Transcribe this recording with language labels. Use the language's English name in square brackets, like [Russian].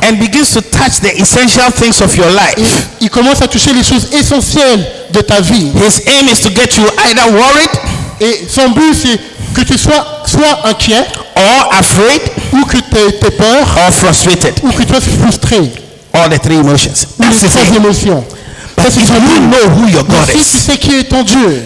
[English] and begins to touch the essential things of your life, [French] il commence à toucher les choses essentielles de ta vie. [English] His aim is to get you either worried, [French] et son but c'est que tu sois soit inquiet, [English] or afraid, [French] ou que tu aies peur, [English] or frustrated, [French] ou que tu sois frustré. [English] All the three emotions. [French] Les trois émotions. [English] But if you know who your God [French] si [English] is, [French] tu sais qui est ton Dieu,